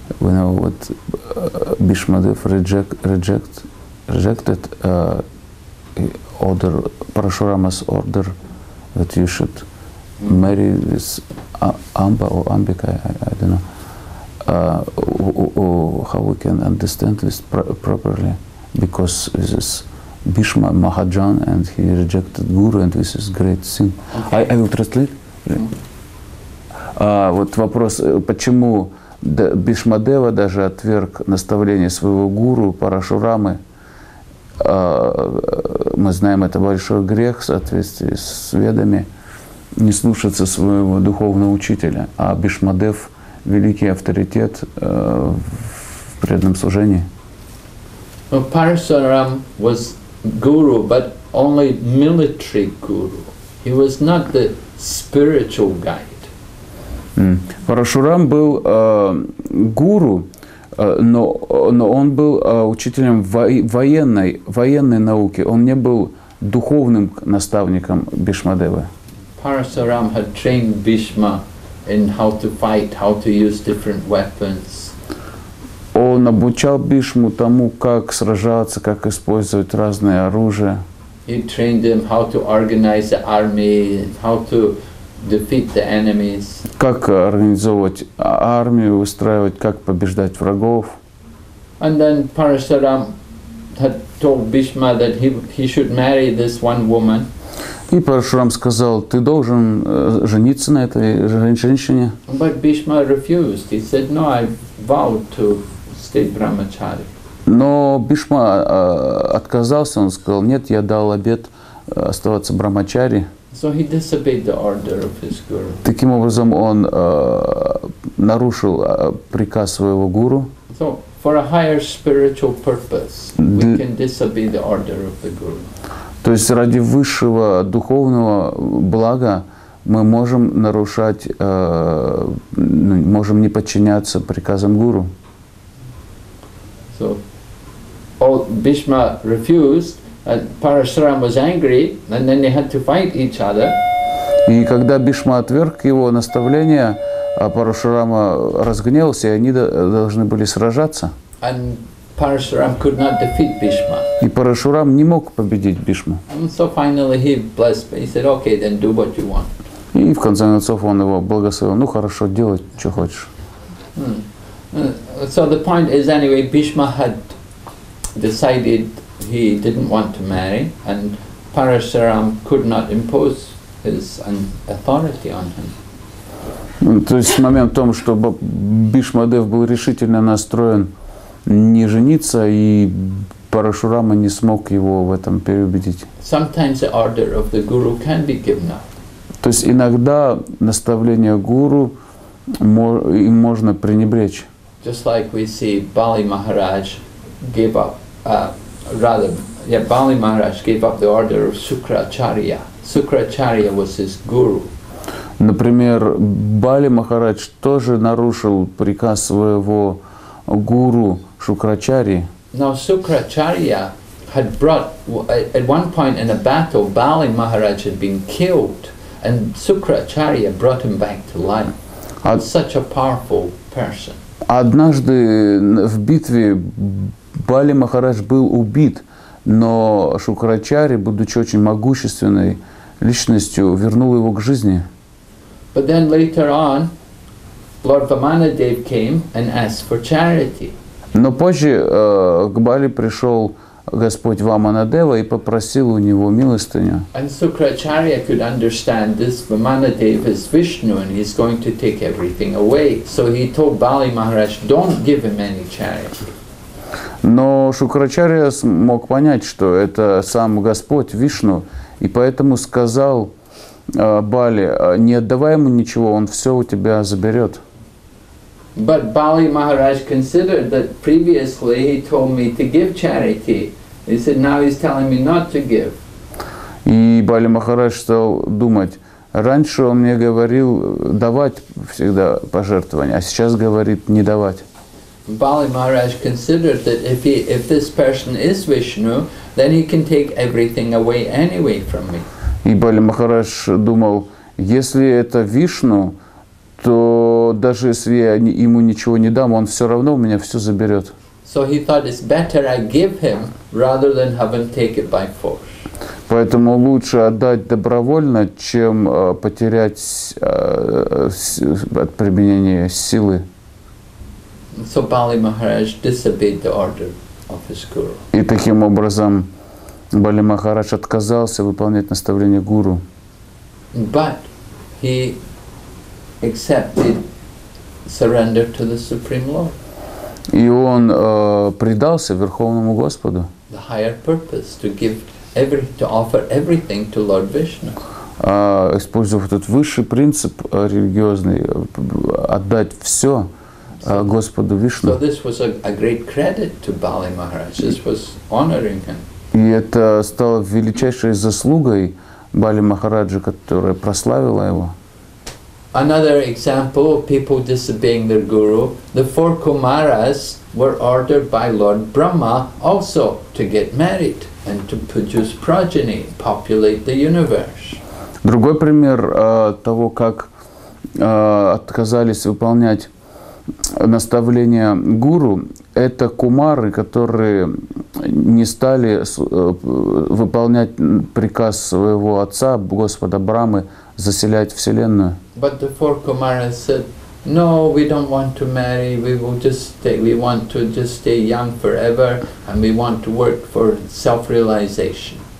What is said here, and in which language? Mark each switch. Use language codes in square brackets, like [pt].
[en] We know what Bhishma Dev rejected order, Parashurama's order that you should marry with Amba or Ambika, I don't know. How we can understand this properly? Because this is Bhishma Mahajan and he rejected Guru and this is great sin. Okay. I will translate. Mm-hmm. [ru] Вот вопрос, почему Бхишма Дева даже отверг наставление своего гуру Парашурамы. Мы знаем, это большой грех в соответствии с ведами, не слушаться своего духовного учителя. А Бхишма Дев великий авторитет в преданном служении. [en] Well, Parashuram was guru, but only military guru. He was not the spiritual guide. [ru] Parashuram был гуру, но он был учителем военной науки. Он не был духовным наставником Бхишма Девы. [en] Parashuram had trained Bhishma in how to fight, how to use different weapons. [ru] Он обучал Бишму тому, как сражаться, как использовать разное оружие. [en] He trained him how to organize the army, how to defeat the enemies. [ru] Как организовывать армию, выстраивать, как побеждать врагов. [en] And then Parashuram had told Bhishma that he should marry this one woman. [ru] И Парашурам сказал, ты должен жениться на этой женщине. [en] But Bhishma refused. He said, no, I vowed to stay brahmachari. [ru] Но Бишма отказался, он сказал, нет, я дал обет оставаться брахмачари. [en] So he disobeyed the order of his guru. [ru] Таким образом, он нарушил приказ своего гуру. [en] So for a higher spiritual purpose, we can disobey the order of the guru. [ru] То есть ради высшего духовного блага мы можем нарушать, можем не подчиняться приказам гуру. [en] So, Bhishma refused, Parashuram was angry, and then they had to fight each other. [ru] И когда Бишма отверг его наставление, Парашурама разгневался, и они должны были сражаться. [en] And Parashuram could not defeat Bhishma. [ru] И Парашурам не мог победить Бишму. [en] And so finally he blessed, he said, okay, then do what you want. [ru] И в конце концов он его благословил. Ну хорошо, делай, что хочешь. [en] So the point is, anyway, Bhishma had decided he didn't want to marry, and Parashuram could not impose his authority on him. [ru] То есть момент в том, что Бишмадев был решительно настроен не жениться, и Парашурама не смог его в этом переубедить. [en] Sometimes the order of the guru can be given up. [ru] То есть иногда наставление гуру им можно пренебречь. [en] Just like we see Bali Maharaj gave up, Bali Maharaj gave up the order of Sukracharya. Sukracharya was his guru. [ru] Например, Бали Махарадж тоже нарушил приказ своего гуру Шукрачари. [en] Now Sukracharya had brought at one point in a battle Bali Maharaj had been killed. And Sukracharya brought him back to life. He's such a powerful person. [ru] Однажды в битве Бали Махарадж был убит, но Шукрачари, будучи очень могущественной личностью, вернул его к жизни. [en] But then later on, Lord Vamanadev came and asked for charity. [ru] Но позже к Бали пришел Господь Ваманадева и попросил у него милостыню. [en] And Sukracharya could understand this. Vamanadeva is Vishnu and he's going to take everything away. So he told Bali Maharaj, don't give him any charity. [ru] Но Шукрачарья смог понять, что это сам Господь Вишну, и поэтому сказал Бали, не отдавай ему ничего, он все у тебя заберет. [en] But Bali Maharaj considered that previously he told me to give charity. He said, now he's telling me not to give. [ru] И Бали Махарадж стал думать, раньше он мне говорил давать всегда пожертвования, а сейчас говорит не давать. [en] Bali Maharaj considered that if this person is Vishnu, then he can take everything away anyway from me. [ru] И Бали Махарадж думал, если это Вишну, то даже если я ему ничего не дам, он все равно у меня все заберет. [en] So he thought it's better I give him rather than have him take it by force. [ru] Поэтому лучше отдать добровольно, чем потерять от применения силы. [en] So Bali Maharaj disobeyed the order of his guru. [ru] И таким образом Бали Махарадж отказался выполнять наставление гуру. [en] But he accepted surrender to the Supreme Lord. [ru] И он предался Верховному Господу. [en] The higher purpose to give every to offer everything to Lord Vishnu. [ru] Использовав этот высший принцип религиозный, отдать все Господу Вишну. [en] So this was a great credit to Bali Maharaj. This was honoring him. [ru] И это стало величайшей заслугой Бали Махараджи, которая прославила его. [en] Another example of people disobeying their guru, the four Kumaras were ordered by Lord Brahma also to get married and to produce progeny, populate the universe. [ru] Другой пример того, как отказались выполнять наставление гуру, это кумары, которые не стали выполнять приказ своего отца, Господа Брамы, заселять Вселенную. [en] But the four Kumaras said, no, we don't want to marry, we will just stay, we want to just stay young forever, and we want to work for self-realization.